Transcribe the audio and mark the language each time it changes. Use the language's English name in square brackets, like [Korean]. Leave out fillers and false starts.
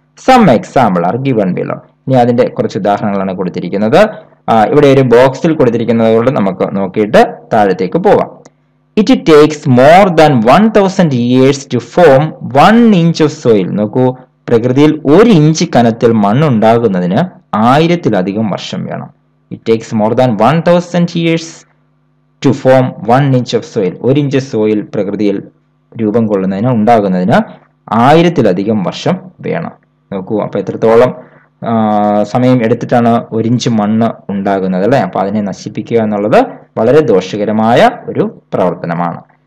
[English] Some example are given below. [Malayalam] ഇനി അതിന്റെ കുറച്ച് ഉദാഹരണങ്ങളാണ് കൊടുത്തിരിക്കുന്നത്. ഇവിടെ ഒരു ബോക്സിൽ കൊടുത്തിരിക്കുന്നതുകൊണ്ട് നമുക്ക് നോക്കിയിട്ട് താഴത്തേക്ക് പോവാം. [English] It takes more than 1000 years to form 1 inch of soil. [Malayalam] നോക്കൂ, പ്രകൃതിയിൽ 1 inch കനത്തിൽ മണ്ണുണ്ടാകുന്നതിന് 1000+ വർഷം വേണം. [English] It takes more than 1000 years to form 1 inch of soil. 1 inch of soil [Malayalam] പ്രകൃതിയിൽ രൂപം കൊള്ളുന്നതിന് ഉണ്ടാകുന്നതിന് 1000+ വർഷം വേണം. നോക്കൂ, അപ്പൊ എത്രത്തോളം സമയം എടുത്തിട്ടാണ് 1 inch മണ്ണ് ഉണ്ടാകുന്നത് അല്ലെ? അപ്പൊ അതിനെ നശിപ്പിക്കുക എന്നുള്ളത് വളരെ ദോഷകരമായ ഒരു പ്രവർത്തനമാണ്.